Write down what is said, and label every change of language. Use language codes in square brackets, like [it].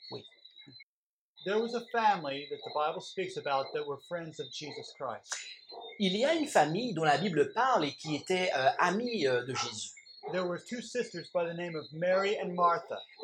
[fr] Oui. [en] There was a family that the Bible speaks about that were friends of Jesus Christ. [fr] Il y a une famille dont la Bible parle et qui était amie de Jésus. [en] There were two sisters by the name of Mary and Martha.